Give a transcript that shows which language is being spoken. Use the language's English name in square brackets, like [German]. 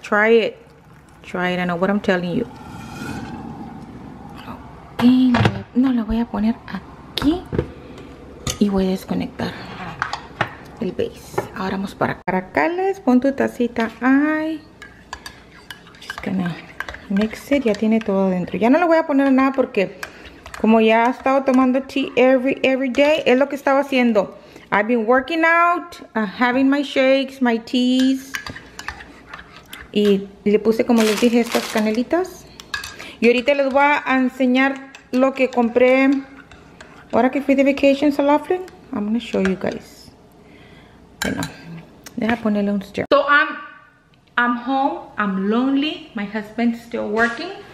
[English] Try it. I know what I'm telling you. [Spanish] No, lo voy a poner aquí y voy a desconectar el base. Ahora vamos para acá. Les pon tu tacita. Ay, [English] just gonna mix it. [Spanish] Ya tiene todo dentro. Ya no le voy a poner nada porque como ya he estado tomando [English] tea every day, [Spanish] es lo que estaba haciendo. [English] I've been working out, having my shakes, my teas. [Spanish] Y le puse, como les dije, estas canelitas. Y ahorita les voy a enseñar lo que compré. Ahora que fui de vacation, [English] so often, I'm going to show you guys. [Spanish] Bueno, deja ponerle un stir. [English] So I'm home, I'm lonely. My husband's still working.